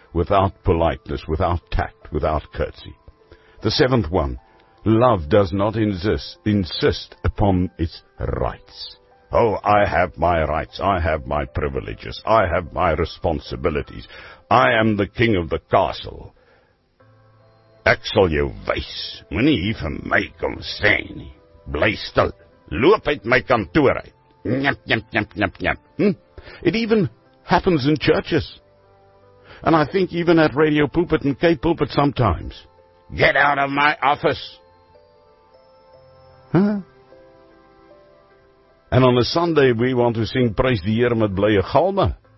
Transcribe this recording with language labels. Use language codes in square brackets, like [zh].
[en] Without politeness, without tact, without courtesy. The seventh one. Love does not insist upon its rights. Oh, I have my rights, I have my privileges, I have my responsibilities. I am the king of the castle. [af] Ek sal jou wys, moenie hier vir my kom sê nie. Bly stil, loop uit my kantoor uit. [en] Njap, njap, njap, njap, njap. It even happens in churches. And I think even at Radio Pulpit and K-Pulpit sometimes. Get out of my office. And on a Sunday we want to sing Praise the Heer met blye galme.